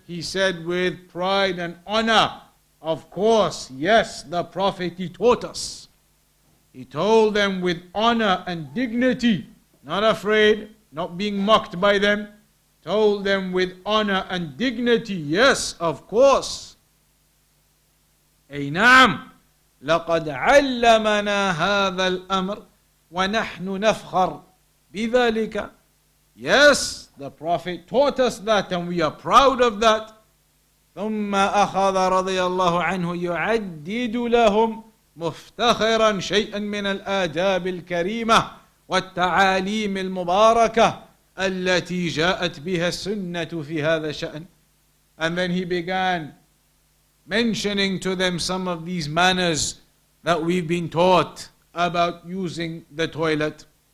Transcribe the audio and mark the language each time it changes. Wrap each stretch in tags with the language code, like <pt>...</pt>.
<en>He said with pride and honor, of course, yes, the Prophet, he taught us. He told them with honor and dignity, not afraid, not being mocked by them. Told them with honor and dignity, yes, of course.</en> <ar>أي نعم. لقد علمنا هذا الأمر ونحن نفخر بذلك.</ar> <en>Yes, the Prophet taught us that and we are proud of that.</en> <ar>ثم أخذ رضي الله عنه يعدد لهم مفتخرا شيئا من الآداب الكريمة والتعاليم المباركة التي جاءت بها السنة في هذا الشأن.</ar> <en>And then he began mentioning to them some of these manners that we've been taught about using the toilet.</en>